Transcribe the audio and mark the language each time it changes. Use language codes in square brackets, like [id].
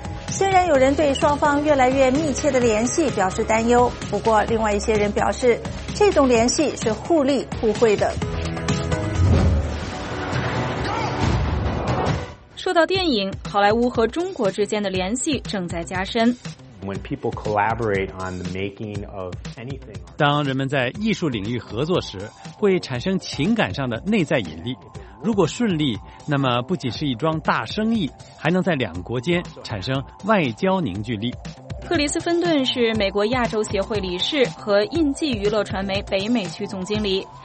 [zh] 虽然有人对双方越来越密切的联系表示担忧，不过另外一些人表示，这种联系是互利互惠的。说到电影，好莱坞和中国之间的联系正在加深。 [en] When people collaborate on the making of anything, [zh] 当人们在艺术领域合作时，会产生情感上的内在引力。如果顺利，那么不仅是一桩大生意，还能在两国间产生外交凝聚力。克里斯芬顿是美国亚洲协会理事和印记娱乐传媒北美区总经理。